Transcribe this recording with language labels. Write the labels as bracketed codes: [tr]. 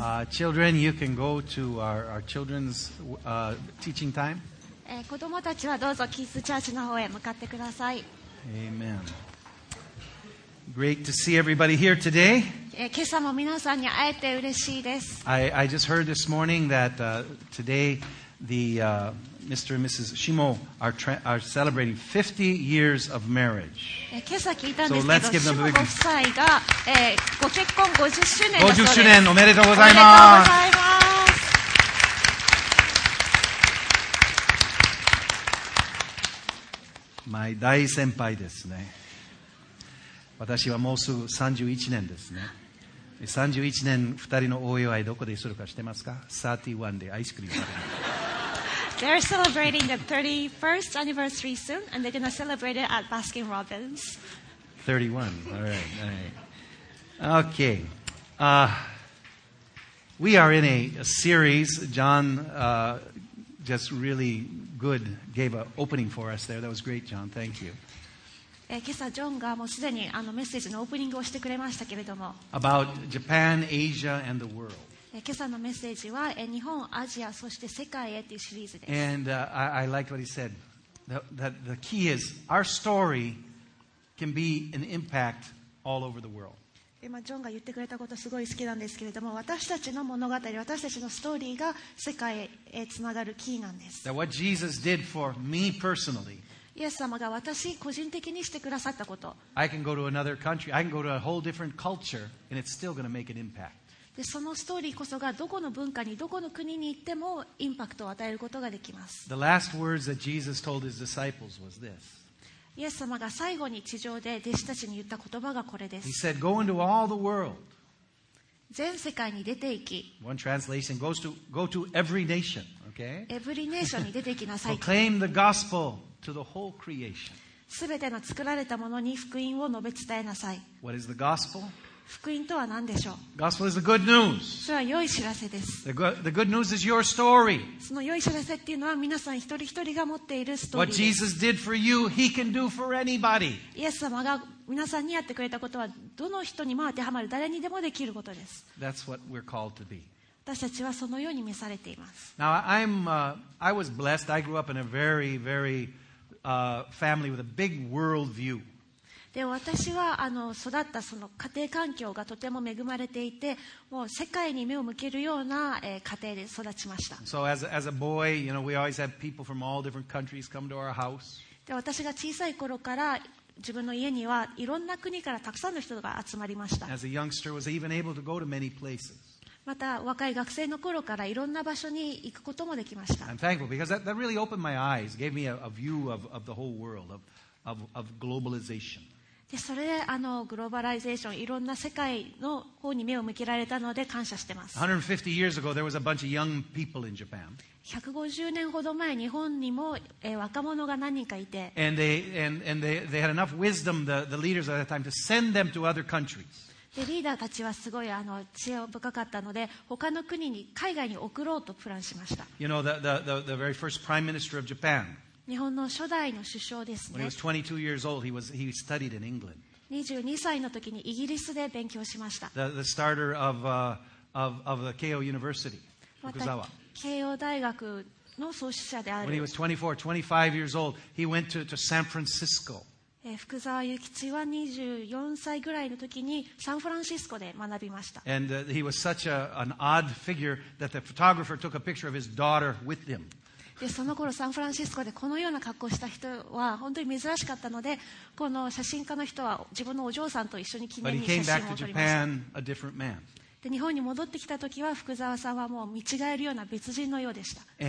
[en] Children, you can go to our children's teaching time. [ja] 子供たちはどうぞキースチャーチの方へ向かってください。 [en] Amen. Great to see everybody here today. [ja] 今朝も皆さんに会えて嬉しいです。 [en] I just heard this morning that today the Mr. and Mrs. Shimo are celebrating 50 years of marriage. [ja] 今朝聞いたんですけど、Shimo ご夫妻が、ご結婚50周年だそうです。 50周年おめでとうございます。おめでとうございます。 My 大先輩ですね。私はもうすぐ31年ですね。31年2人のお祝いどこでするか知ってますか ?31 でアイスクリーム食べます。 [en] They're celebrating the 31st anniversary soon, and they're going to celebrate it at Baskin Robbins. 31. All right. Okay. We are in a series. John just really good gave an opening for us there. That was great, John. Thank you. [ja] 今朝ジョンがもうすでにメッセージのオープニングをしてくれましたけれども。 [en] About Japan, Asia, and the world. [ja] 今朝のメッセージは日本、アジア、そして世界へというシリーズです。 [en] And I like what he said. The key is our story can be an impact all over the world. [ja] 今ジョンが言ってくれたことすごい好きなんですけれども、私たちの物語、私たちのストーリーが世界へつながるキーなんです。 [en] That what Jesus did for me personally. [ja] イエス様が私個人的にしてくださったこと。 [en] I can go to another country. I can go to a whole different culture, and it's still going to make an impact. [ja] でそのストーリーこそがどこの文化にどこの国に行ってもインパクトを与えることができます。 [en] The last words that Jesus told his disciples was this. [ja] イエス様が最後に地上で弟子たちに言った言葉がこれです。 [en] He said, "Go into all the world." [ja] 全世界に出て行き。 [en] One translation goes to go to every nation, okay? Every nation [ja] に出て行きなさい。 [en] Proclaim the gospel to the whole creation. [ja] すべての作られたものに福音を述べ伝えなさい。 [en] What is the gospel? [ja] 福音とは何でしょう? [en] Gospel is the good news. [ja] それは良い知らせです。 [en] The good news is your story. [ja] その良い知らせっていうのは皆さん一人一人が持っているストーリーです。 [en] What Jesus did for you, he can do for anybody. [ja] イエス様が皆さんにやってくれたことはどの人にも当てはまる誰にでもできることです。 [en] That's what we're called to be. [ja] 私たちはそのように召されています。 [en] Now, I was blessed. I grew up in a very, very, family with a big world view. [ja] で私は育ったその家庭環境がとても恵まれていて、もう世界に目を向けるような、家庭で育ちました。 [en] So as a boy, you know, we always had people from all different countries come to our house. [ja] で私が小さい頃から自分の家にはいろんな国からたくさんの人が集まりました。 [en] As a youngster, was even able to go to many places. [ja] また若い学生の頃からいろんな場所に行くこともできました。 [en] I'm thankful because that really opened my eyes, gave me a view of the whole world of globalization. [ja] でそれでグローバライゼーション、いろんな世界の方に目を向けられたので感謝してます。 [en] 150 years ago, there was a bunch of young people in Japan. [ja] 150年ほど前、日本にも若者が何人かいて。 [en] And they had enough wisdom, the leaders at that time, to send them to other countries. [ja] でリーダーたちはすごい知恵深かったので他の国に海外に送ろうとプランしました。 [en] You know, the very first prime minister of Japan. [ja] 日本の初代の首相ですね。 [en] When he was 22 years old, he studied in England. [ja] 22歳の時にイギリスで勉強しました。 [en] The starter of the Keio University, Fukuzawa. [ja] 慶応大学の創始者である。 [en] When he was 24, 25 years old, he went to San Francisco. [ja] 福沢諭吉は24歳ぐらいの時にサンフランシスコで学びました。 [en] And he was such an odd figure that the photographer took a picture of his daughter with him. [ja] でその頃サンフランシスコでこのような格好した人は本当に珍しかったのでこの写真家の人は自分のお嬢さんと一緒に記念に写真を撮りました。で日本に戻ってきた時は福沢さんはもう見違えるような別人のようでした。